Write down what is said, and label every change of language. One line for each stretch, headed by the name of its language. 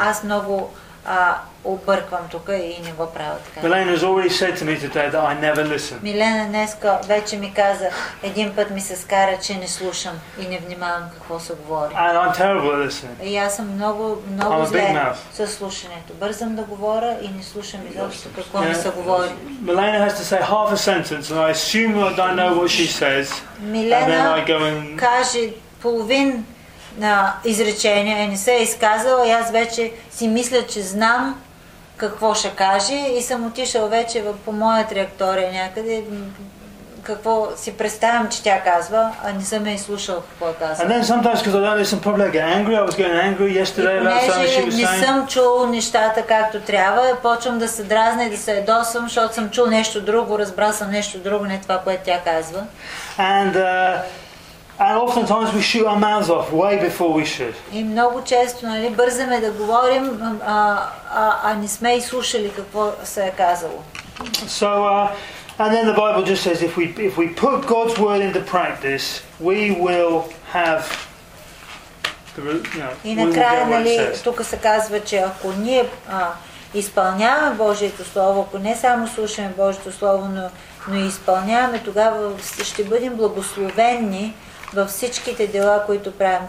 Bulgarian: Аз много обърквам тук и не го правя така.
English: Milena has already said to me today that I never listen.
Bulgarian: Милена днеска вече ми каза, един път ми се скара, че не слушам и не внимавам какво се говори.
English: And I'm terrible at listening.
Bulgarian: И аз съм много зле със слушането. Бързам да говоря и не слушам изобщо какво ми се говори.
English: Milena has to say half a sentence and I assume that I know what she says.
Bulgarian: Милена каже половин на изречение, не се е изказала и аз вече си мисля, че знам какво ще каже и съм отишъл вече по моя траектория някъде, какво си представям, че тя казва, а не съм я изслушал какво казва.
English: And then sometimes because I don't listen probably I get angry. I was getting angry yesterday about something she was saying.
Bulgarian: Не съм чул нещата както трябва, почвам да се дразня и да се ядосвам, защото съм чул нещо друго, разбрал съм нещо друго, не това, което тя казва.
English: And And oftentimes we shoot our mouths off way before we should.
Bulgarian: И много често, нали, бързаме да говорим, а не сме изслушали какво се е казало.
English: So and then the Bible just says if we put God's word into practice, we will have
Bulgarian: И накрая, нали, тук се казва, че ако ние изпълняваме Божието слово, ако не само слушаме Божието слово, но и изпълняваме, тогава ще бъдем благословени във всичките дела, които правим.